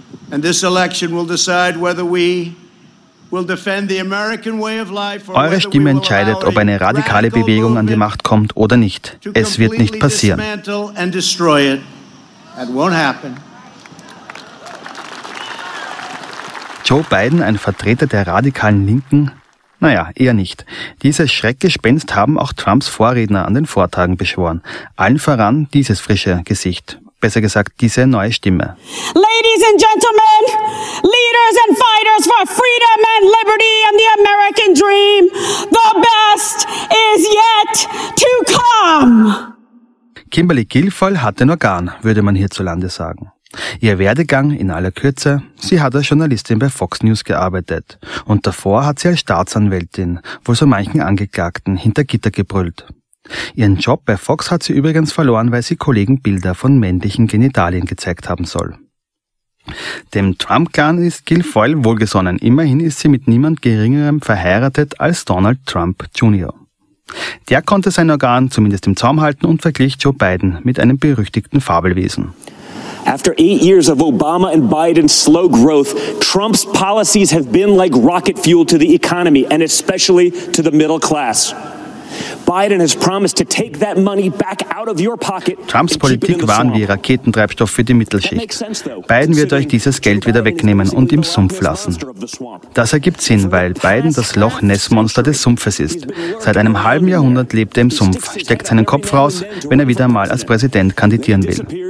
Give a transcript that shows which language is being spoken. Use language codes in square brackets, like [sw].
[en] And this election will decide whether we will defend the American way of life. [de] Eure Stimme entscheidet, ob eine radikale Bewegung an die Macht kommt oder nicht. Es wird nicht passieren. [en] Dismantle and destroy it. That won't happen. [de] Joe Biden, ein Vertreter der radikalen Linken, naja, eher nicht. Dieses Schreckgespenst haben auch Trumps Vorredner an den Vortagen beschworen. Allen voran dieses frische Gesicht. Besser gesagt, diese neue Stimme. [en] Ladies and gentlemen, leaders and fighters for freedom and liberty and the American dream, the best is yet to come. [de] Kimberly Guilfoyle hat ein Organ, würde man hierzulande sagen. Ihr Werdegang in aller Kürze, sie hat als Journalistin bei Fox News gearbeitet und davor hat sie als Staatsanwältin wohl so manchen Angeklagten hinter Gitter gebrüllt. Ihren Job bei Fox hat sie übrigens verloren, weil sie Kollegen Bilder von männlichen Genitalien gezeigt haben soll. Dem Trump-Clan ist Guilfoyle wohlgesonnen, immerhin ist sie mit niemand Geringerem verheiratet als Donald Trump Jr. Der konnte sein Organ zumindest im Zaum halten und verglich Joe Biden mit einem berüchtigten Fabelwesen. [en] After 8 years of Obama and Biden's slow growth, Trump's policies have been like rocket fuel to the economy and especially to the middle class. Biden has promised to take that money back out of your pocket. [de] Trumps Politik waren wie Raketentreibstoff für die Mittelschicht. Biden wird euch dieses Geld wieder wegnehmen und im Sumpf lassen. Das ergibt Sinn, weil Biden das Loch Ness-Monster des Sumpfes ist. Seit einem halben Jahrhundert lebt er im Sumpf, steckt seinen Kopf raus, wenn er wieder mal als Präsident kandidieren will.